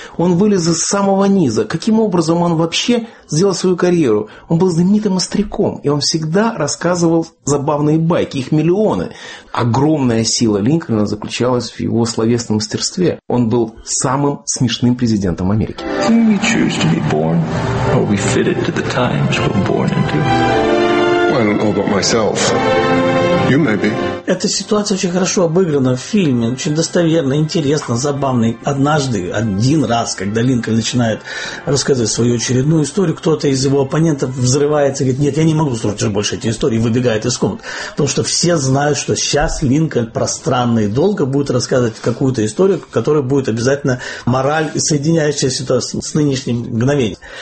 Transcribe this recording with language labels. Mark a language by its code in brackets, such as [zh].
[ru] Он вылез из самого низа. Каким образом он вообще сделал свою карьеру? Он был знаменитым остряком. И он всегда рассказывал забавные байки. Их миллионы. Огромная сила Линкольна заключалась в его словесном мастерстве. Он был самым смешным президентом Америки. [en] We choose to be born, or we fit it to the times we're born into. I don't know about myself. You may be. [ru] Эта ситуация очень хорошо обыграна в фильме, очень достоверно, интересно, забавно. Однажды, один раз, когда Линкольн начинает рассказывать свою очередную историю, кто-то из его оппонентов взрывается и говорит: «Нет, я не могу слушать больше эти истории», и выбегает из комнаты. Потому что все знают, что сейчас Линкольн пространно и долго будет рассказывать какую-то историю, которая будет обязательно мораль, соединяющая ситуацию с нынешним мгновением.